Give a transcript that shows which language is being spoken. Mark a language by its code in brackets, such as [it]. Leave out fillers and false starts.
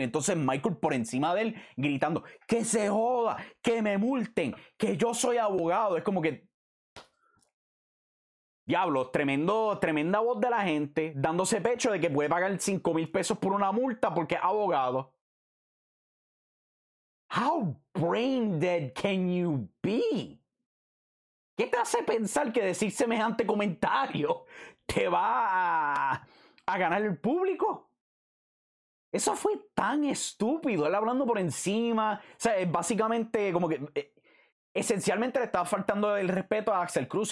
[es] Y entonces Michael por encima de él gritando, que se joda, que me multen, que yo soy abogado. Es como que, diablo, tremenda voz de la gente, dándose pecho de que puede pagar $5,000 por una multa porque es abogado. [en] How brain dead can you be? [es] ¿Qué te hace pensar que decir semejante comentario te va a ganar el público? Eso fue tan estúpido. Él hablando por encima. O sea, básicamente, como que esencialmente le estaba faltando el respeto a Axel Cruz.